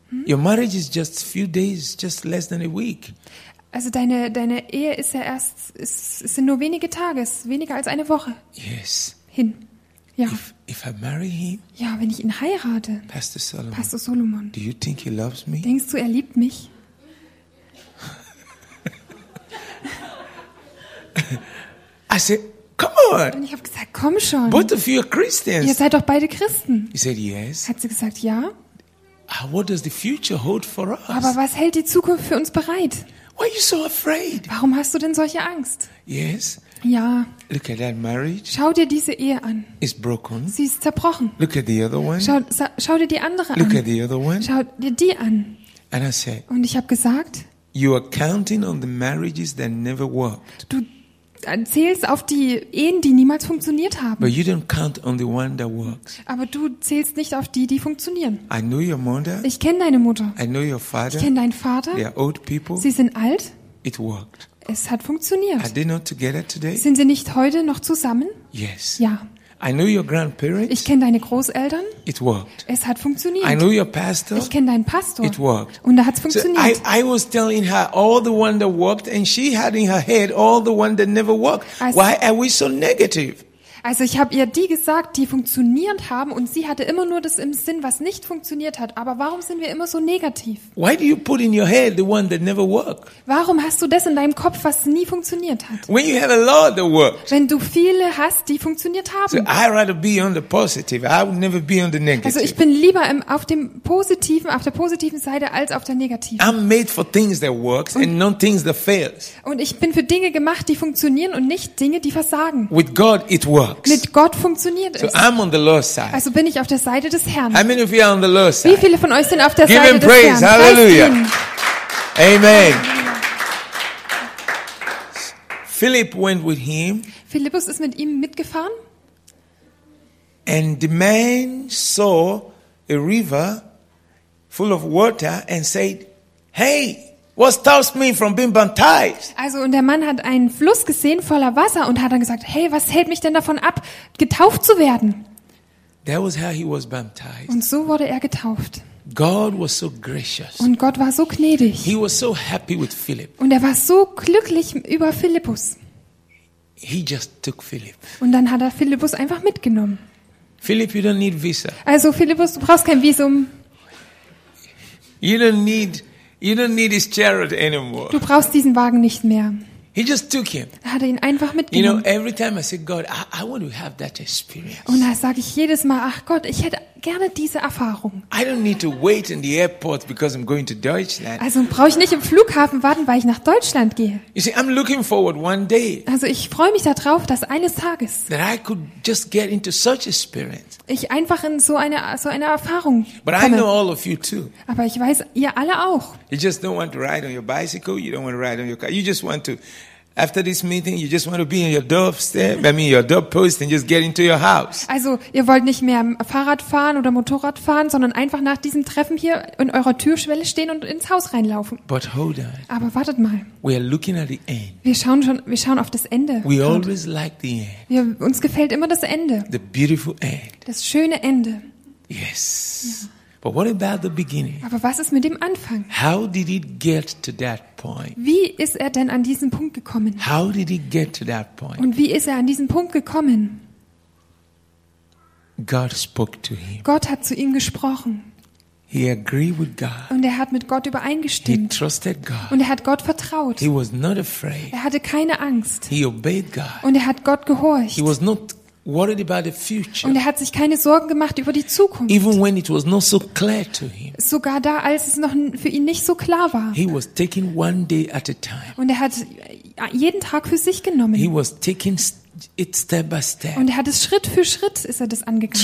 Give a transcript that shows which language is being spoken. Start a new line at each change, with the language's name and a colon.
English: Your marriage is just few days, just less than a week.
German: Also deine Ehe ist ja erst sind nur wenige Tage, weniger als eine Woche.
English: Yes.
German: Hin. Ja.
English: If I marry him.
German: Ja, wenn ich ihn heirate.
English: Pastor Solomon. Do you think he loves me?
German: Denkst du, er liebt mich?
English: I said, come on.
German: Und ich habe gesagt, komm schon.
English: Both of you are Christians.
German: Ihr seid doch beide Christen.
English: He said yes.
German: Hat sie gesagt, ja.
English: What does the future hold for us?
German: Aber was hält die Zukunft für uns bereit?
English: Why are you so afraid?
German: Warum hast du denn solche Angst?
English: Yes.
German: Ja.
English: Look at that marriage.
German: Schau dir diese Ehe an.
English: It's broken.
German: Sie ist zerbrochen.
English: Look at the other one.
German: Schau dir die andere an.
English: Look at the other one.
German: Schau dir die an.
English: And I said,
German: und ich habe gesagt,
English: You are counting on the marriages that never worked.
German: Du zählst auf die Ehen, die niemals funktioniert haben.
English: But you don't count on the one that works.
German: Aber du zählst nicht auf die, die funktionieren.
English: I know your mother.
German: Ich kenne deine Mutter.
English: I know your father.
German: Ich kenne deinen Vater.
English: They are old people.
German: Sie sind alt.
English: It worked.
German: Es hat funktioniert.
English: Are they not together today?
German: Sind sie nicht heute noch zusammen?
English: Yes.
German: Ja.
English: I know your grandparents.
German: Ich kenne deine Großeltern.
English: It worked.
German: Es hat funktioniert.
English: I know your pastor.
German: Ich kenne deinen Pastor.
English: It worked.
German: Und da hat's funktioniert.
English: So I was telling her all the one that worked and she had in her head all the one that never worked.
German: Also,
English: why are we so negative?
German: Also ich habe ihr die gesagt, die funktionierend haben und sie hatte immer nur das im Sinn, was nicht funktioniert hat, aber warum sind wir immer so negativ?
English: Why do you put in your head the one that never worked?
German: Warum hast du das in deinem Kopf, was nie funktioniert hat?
English: When you have a lot that worked.
German: Wenn du viele hast, die funktioniert haben.
English: So I'd rather be on the positive. I would never be on the negative.
German: Also ich bin lieber auf der positiven Seite als auf der negativen.
English: I'm made for things that works and not things that fails.
German: Und ich bin für Dinge gemacht, die funktionieren und nicht Dinge, die versagen.
English: With God it works.
German: Mit Gott funktioniert es.
English: So I'm on the Lord's side.
German: Also bin ich auf der Seite des Herrn.
English: How many of you are on the Lord's side?
German: Wie viele von euch sind auf der
English: Give
German: Seite
English: him
German: des
English: praise.
German: Herrn? Hallelujah. Amen.
English: Philip went with him.
German: Philippus ist mit ihm mitgefahren.
English: And the man saw a river full of water and said, "Hey, what stops me from being baptized?"
German: Also und der Mann hat einen Fluss gesehen voller Wasser und hat dann gesagt, hey, was hält mich denn davon ab, getauft zu werden?
English: That was how he was baptized.
German: Und so wurde er getauft.
English: God was so gracious.
German: Und Gott war so gnädig.
English: He was so happy with Philip.
German: Und er war so glücklich über Philippus.
English: He just took Philip.
German: Und dann hat er Philippus einfach mitgenommen.
English: Philip, you don't need visa.
German: Also Philippus, du brauchst kein Visum.
English: You don't need his chariot anymore.
German: Du brauchst diesen Wagen nicht mehr.
English: He just took him.
German: Er hat ihn einfach mitgenommen.
English: You know, every time I say, God, I want to have that experience.
German: Und da sage ich jedes Mal, ach Gott, ich hätte gerne diese Erfahrung.
English: I don't need to wait in the airport because I'm going to Deutschland.
German: Also brauche ich nicht im Flughafen warten, weil ich nach Deutschland gehe.
English: You see, I'm looking forward one day.
German: Also ich freue mich darauf, dass eines Tages.
English: That I could just get into such experience.
German: Ich einfach in so eine Erfahrung komme.
English: But I know all of you too.
German: Aber ich weiß ihr alle auch.
English: You just don't want to ride on your bicycle. You don't want to ride on your car. You just want to. After this meeting, you just want to be in your doorstep, your doorpost and just get into your house.
German: Also, ihr wollt nicht mehr Fahrrad fahren oder Motorrad fahren, sondern einfach nach diesem Treffen hier in eurer Türschwelle stehen und ins Haus reinlaufen.
English: But hold on.
German: Aber wartet mal.
English: We are looking at the end.
German: Wir schauen auf das Ende.
English: We always like the end.
German: Uns gefällt immer das Ende.
English: The beautiful end.
German: Das schöne Ende.
English: Yes. Ja. But what about the beginning?
German: Aber was ist mit dem Anfang?
English: How did it get to that point?
German: Wie ist er denn an diesen Punkt gekommen?
English: How did it get to that point?
German: Und wie ist er an diesen Punkt gekommen?
English: God spoke to him.
German: Gott hat zu ihm gesprochen.
English: He agreed with God.
German: Und er hat mit Gott übereingestimmt.
English: He trusted God.
German: Und er hat Gott vertraut.
English: He was not afraid.
German: Er hatte keine Angst.
English: He obeyed God.
German: Und er hat Gott gehorcht.
English: He was not worried about the future.
German: Und er hat sich keine Sorgen gemacht über die Zukunft.
English: Even when it was not so clear to him.
German: Sogar da, als es noch für ihn nicht so klar war.
English: He was taking one day at a time.
German: Und er hat jeden Tag für sich genommen.
English: He was taking it step by step.
German: Und er hat es Schritt für Schritt ist er das angegangen.